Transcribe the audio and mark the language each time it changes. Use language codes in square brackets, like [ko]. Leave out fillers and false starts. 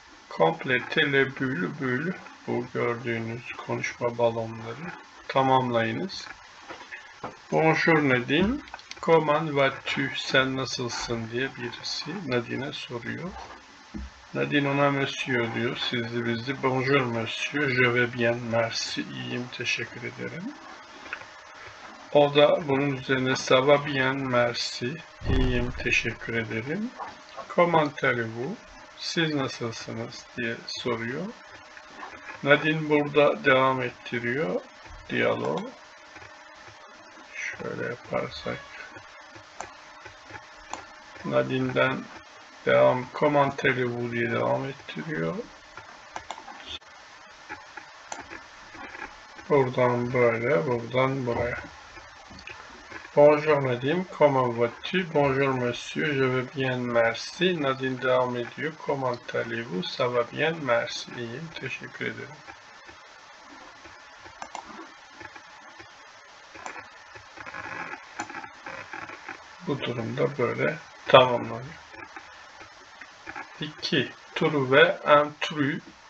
[fr] Complétez les bulles, bulles. [tr] Bu gördüğünüz konuşma balonları tamamlayınız. [fr] Bonjour Nadine. Comment vas-tu? [tr] Sen nasılsın diye birisi Nadine'e soruyor. Nadine ona monsieur diyor. Sizli bizli. [fr] Bonjour monsieur. Je vais bien. Merci. [tr] İyiyim. Teşekkür ederim. O da bunun üzerine [fr] ça va bien. Merci. [tr] İyiyim. Teşekkür ederim. Comment allez-vous? Siz nasılsınız diye soruyor. Nadine burada devam ettiriyor diyalog. Şöyle yaparsak Nadine'den devam, [fr] comment allez-vous [tr] diye devam ettiriyor. Buradan böyle, buradan buraya. [fr] Bonjour Nadine, comment vas-tu? Bonjour monsieur, je vais bien, merci. [tr] Nadine devam ediyor, [fr] comment allez-vous? Ça va bien, merci. [tr] İyiyim, teşekkür ederim. Bu durumda böyle. Tamamlanıyor. 2. [fr] Trouve un tru.